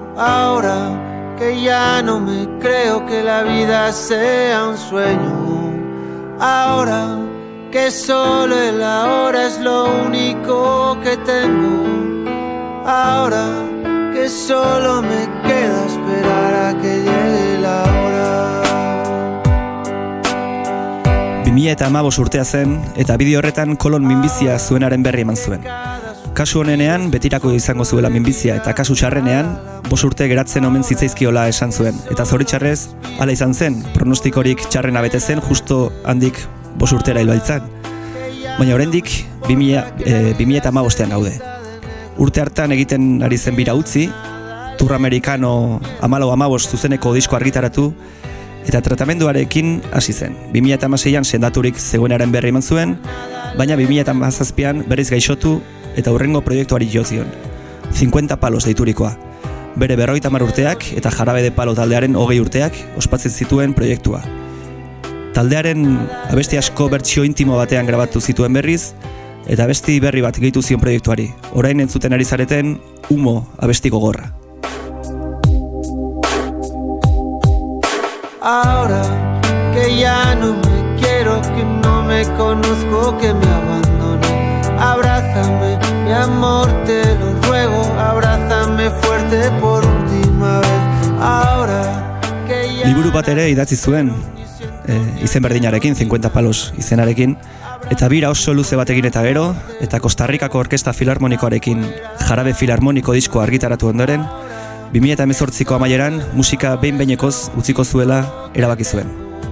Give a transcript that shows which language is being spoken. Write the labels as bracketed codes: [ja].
[es] Ahora que ya no me creo que la vida sea un sueño. Ahora que solo el ahora es lo único que tengo. Ahora que solo me queda esperar a que llegue la hora. [eu] 2015 urtea zen eta bideo horretan kolon minbizia zuenaren berri eman zuen. Kasu honenean betirako izango zuela minbizia eta kasu txarrenean 5 urte geratzen omen zitzaizkiola esan zuen. Eta zoritxarrez, hala izan zen, pronostikorik txarrena bete zen justo handik 5 urtera hilbaitzan. Baina oraindik 2015an gaude. Urte hartan egiten ari zen bira utzi, Tour Americano 14-15 zuzeneko disko argitaratu, eta tratamenduarekin hasi zen. 2016an sendaturik zegoenaren berri eman zuen, baina 2017an berriz gaixotu eta hurrengo proiektuari jo zion. 50 palos deiturikoa. Bere 50 urteak eta Jarabe de Palo taldearen 20 urteak ospatzen zituen proiektua. Taldearen abesti asko bertsio intimo batean grabatu zituen berriz, eta abesti berri bat gehitu zion proiektuari, orain entzuten ari zareten Humo abesti gogorra. [es] Ahora que ya no me quiero, que no me conozco, que me abandono. Abrázame, mi amor, te lo ruego, abrázame fuerte por última vez. Ahora que ya... [eu] Liburu bat ere idatzi zuen, izen berdinarekin, 50 palos izenarekin, eta bira oso luze batekin eta gero, eta Costa Ricako Orkesta Filarmonikoarekin Jarabe Filarmoniko disko argitaratu ondoren, 2018ko amaieran musika behin-behinekoz utziko zuela erabaki zuen.